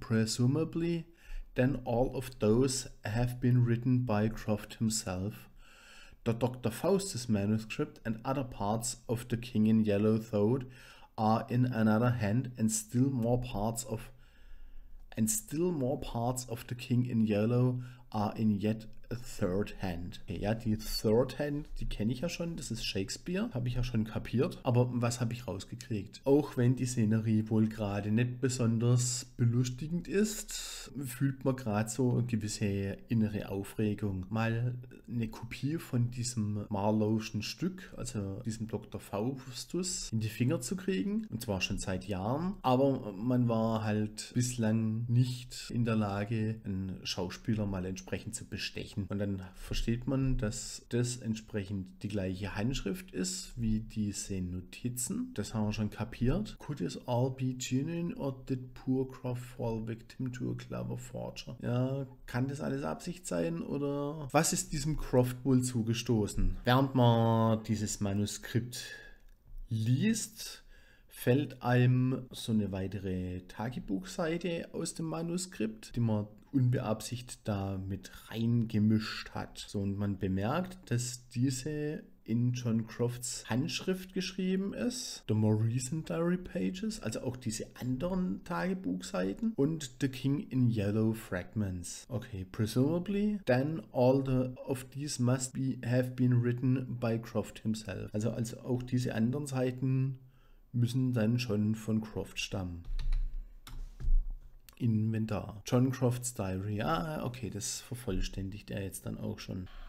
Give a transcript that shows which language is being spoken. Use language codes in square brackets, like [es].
[en] Presumably, then all of those have been written by Croft himself. The Dr. Faustus manuscript and other parts of The King in Yellow, though, are in another hand, and still more parts of The King in Yellow are in yet a third hand. [de] Okay, ja, die third hand, die kenne ich ja schon, das ist Shakespeare, habe ich ja schon kapiert. Aber was habe ich rausgekriegt? Auch wenn die Szenerie wohl gerade nicht besonders belustigend ist, fühlt man gerade so eine gewisse innere Aufregung. Mal eine Kopie von diesem Marlowe'schen Stück, also diesem Dr. Faustus, in die Finger zu kriegen. Und zwar schon seit Jahren. Aber man war halt bislang nicht in der Lage, einen Schauspieler mal entsprechend zu bestechen. Und dann versteht man, dass das entsprechend die gleiche Handschrift ist wie diese Notizen. Das haben wir schon kapiert. [en] Could this all be genuine, or did poor Croft fall victim to a clever forger? [de] Ja, kann das alles Absicht sein, oder was ist diesem Croft wohl zugestoßen? Während man dieses Manuskript liest, fällt einem so eine weitere Tagebuchseite aus dem Manuskript, die man unbeabsichtigt da mit reingemischt hat. So, und man bemerkt, dass diese in John Crofts Handschrift geschrieben ist. [en] The More Recent Diary Pages, [de] also auch diese anderen Tagebuchseiten. [en] Und The King in Yellow Fragments. Okay, presumably, then all the of these must be have been written by Croft himself. [de] Also auch diese anderen Seiten müssen dann schon von Croft stammen. Inventar. John Crofts Diary. Ah, okay, das vervollständigt er jetzt dann auch schon.